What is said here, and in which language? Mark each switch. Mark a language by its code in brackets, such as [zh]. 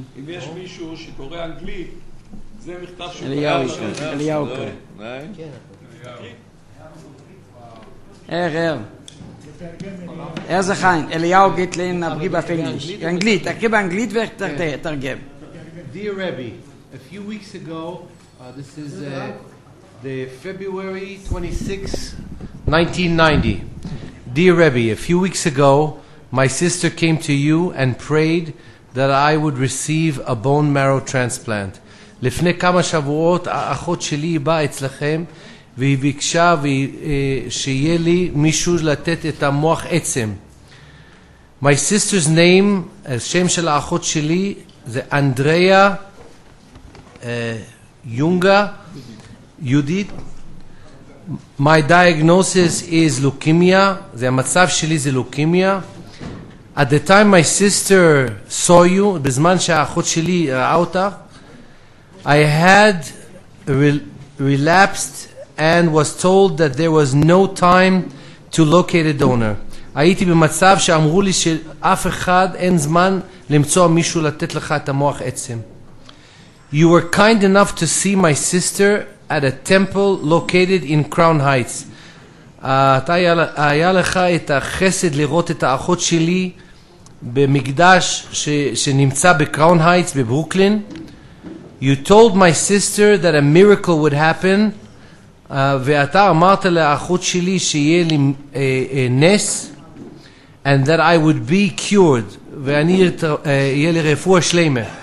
[he] אם יש מישהו שקורא אנגלית, זה מכתב שהוא קרא. אליהו יקרא, אליהו יקרא. כן. איזה חיים, אליהו גיטלין, נבגי באנגליש. אנגלית, תרגם באנגלית ותרגם. [en] Dear Rebbe, a few weeks ago, this is the February 26, 1990. Dear Rebbe, a few weeks ago, my sister came to you and prayed that I would receive a bone marrow transplant. [he] לפני כמה שבועות, האחות שלי באה אצלכם, והיא ביקשה שיהיה לי מישהו לתת את המוח עצם. [en] My sister's name, [he] השם של האחות שלי, זה אנדריה יונגה, יהודית. [en] My diagnosis is leukemia, [he] זה המצב שלי זה leukemia. [en] At the time my sister saw you, [he] בזמן שהאחות שלי ראה אותך, [en] I had relapsed and was told that there was no time to locate a donor. [he] הייתי במצב שאמרו לי שאף אחד אין זמן למצוא מישהו לתת לך את המוח עצם. [en] You were kind enough to see my sister at a temple located in Crown Heights. [he] אתה היה לך את החסד לראות את האחות שלי במקדש שנמצא בקראון הייטס בברוקלין. [en] You told my sister that a miracle would happen. [he] ואתה אמרת לאחות שלי שיהיה לי נס, [en] and that I would be cured, [he] ואני יהיה לי רפואה שלמה.